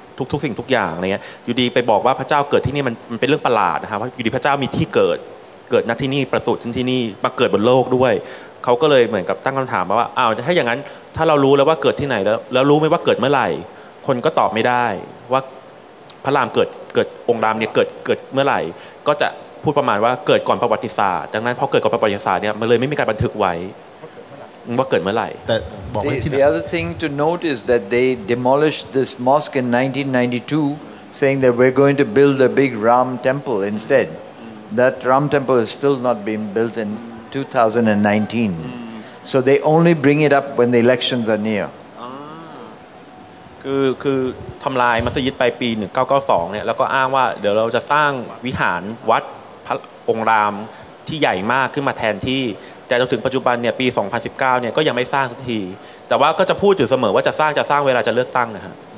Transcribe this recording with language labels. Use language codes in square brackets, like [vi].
[th] ทุกสิ่งทุกอย่างอะไรเงี้ยอยู่ดีไปบอกว่าพระเจ้าเกิดที่นี่มันเป็นเรื่องประหลาดนะครับว่าอยู่ดีพระเจ้ามีที่เกิดณที่นี่ประสูติที่นี่มาเกิดบนโลกด้วยเขาก็เลยเหมือนกับตั้งคำถามมาว่าอ้าวถ้าอย่างนั้นถ้าเรารู้แล้วว่าเกิดที่ไหนแล้วรู้ไหมว่าเกิดเมื่อไหร่คนก็ตอบไม่ได้ว่าพระรามเกิดองค์รามเนี่ยเกิดเมื่อไหร่ก็จะพูดประมาณว่าเกิดก่อนประวัติศาสตร์ดังนั้นพอเกิดก่อนประวัติศาสตร์เนี่ยมันเลยไม่มีการบันทึกไว้ว่าเกิดเมื่อไหร่ แต่บอกไ [en] ว้ The other thing to note is that they demolished this mosque in 1992 saying that we're going to build a big Ram temple instead that Ram temple is still not being built in 2019 so they only bring it up when the elections are near [th] คือทำลายมัสยิดไปปี1992เนี่ยแล้วก็อ้างว่าเดี๋ยวเราจะสร้างวิหารวัดพระองค์รามที่ใหญ่มากขึ้นมาแทนที่แต่จนถึงปัจจุบันเนี่ยปี2019เนี่ยก็ยังไม่สร้างสักทีแต่ว่าก็จะพูดอยู่เสมอว่าจะสร้างเวลาจะเลือกตั้งนะฮะ